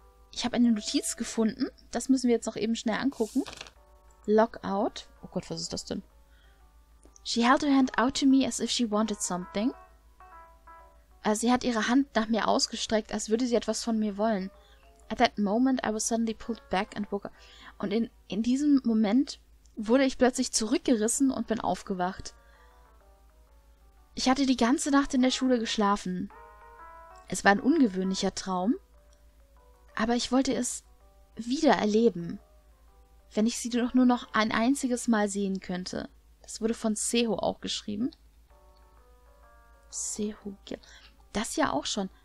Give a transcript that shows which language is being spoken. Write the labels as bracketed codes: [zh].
[de] Ich habe eine Notiz gefunden. Das müssen wir jetzt noch eben schnell angucken. Lockout. Oh Gott, was ist das denn? [en] She held her hand out to me as if she wanted something. [de] Also sie hat ihre Hand nach mir ausgestreckt, als würde sie etwas von mir wollen. [en] At that moment I was suddenly pulled back and woke up. [de] Und in diesem Moment wurde ich plötzlich zurückgerissen und bin aufgewacht. Ich hatte die ganze Nacht in der Schule geschlafen. Es war ein ungewöhnlicher Traum, aber ich wollte es wieder erleben, wenn ich sie doch nur noch ein einziges Mal sehen könnte. Das wurde von Seho auch geschrieben. Seho, das ja auch schon.